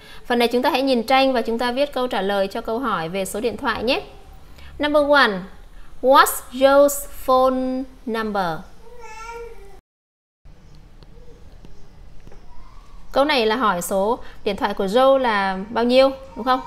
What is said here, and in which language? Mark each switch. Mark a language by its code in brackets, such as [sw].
[vi] Phần này chúng ta hãy nhìn tranh và chúng ta viết câu trả lời cho câu hỏi về số điện thoại nhé. [en] Number 1, what's Joe's phone number? [vi] Câu này là hỏi số điện thoại của Joe là bao nhiêu, đúng không?